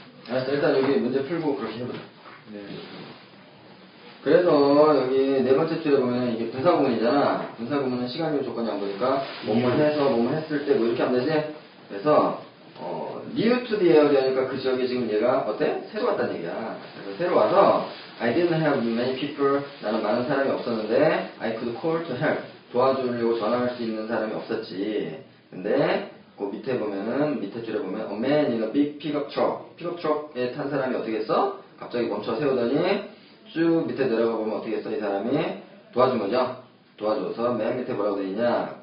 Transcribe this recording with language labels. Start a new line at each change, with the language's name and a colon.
Korean: 알았어, 일단 여기 문제 풀고 그렇게 해보자. 네. 그래서 여기 네 번째 줄에 보면 이게 분사구문이잖아. 분사구문은 시간이 조건이 안 보니까 뭐뭐 해서 뭐뭐 했을 때 뭐 이렇게 하면 되지. 그래서
English: new to the area
Korean: 니까 그 지역에 지금 얘가 어때? 새로 왔다는 얘기야. 그래서 새로 와서
English: I didn't have many people.
Korean: 나는 많은 사람이 없었는데
English: I could call to help.
Korean: 도와주려고 전화할 수 있는 사람이 없었지. 근데 그 밑에 보면은 밑에 줄에 보면
English: a man in a big pickup truck.
Korean: 픽업트럭에 탄 사람이 어떻게 했어? 갑자기 멈춰 세우더니 쭉 밑에 내려가 보면 어떻게 했어? 이 사람이 도와준 거죠? 도와줘서 맨 밑에 뭐라고 되어있냐?